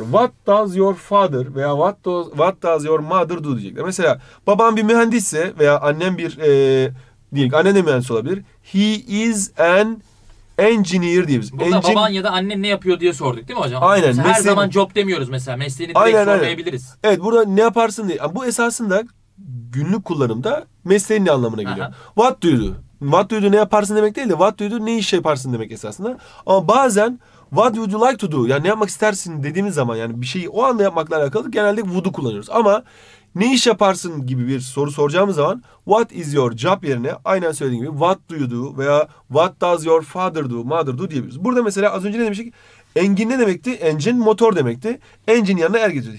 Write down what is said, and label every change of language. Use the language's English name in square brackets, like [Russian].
[English] What does your father veya what does your mother do [Turkish] diyecekler. Mesela babam bir mühendisse veya annem bir diyelim annen de mühendis olabilir. [English] He is an engineer [Turkish] diyebiliriz. Burada baban ya da annen ne yapıyor diye sorduk değil mi hocam? Aynen. Her zaman job demiyoruz mesela. Mesleğini direkt sormayabiliriz. Aynen. Evet burada ne yaparsın diye. Bu esasında günlük kullanımda mesleğin ne anlamına geliyor. [English] Aha. What do you do? What do you do [Turkish] ne yaparsın demek değil de [English] what do you do [Turkish] ne iş yaparsın demek esasında. Ama bazen [English] what would you like to do? [Turkish] Yani ne yapmak istersin dediğimiz zaman yani bir şeyi o anda yapmakla alakalı genelde would'u kullanıyoruz. Ama ne iş yaparsın gibi bir soru soracağımız zaman [English] what is your job [Turkish] yerine aynen söylediğim gibi [English] what do you do [Turkish] veya [English] what does your father do, mother do [Turkish] diyebiliriz. Burada mesela az önce ne demiştik? Engine ne demekti? Engine motor demekti. Engine yanına er getiriyor.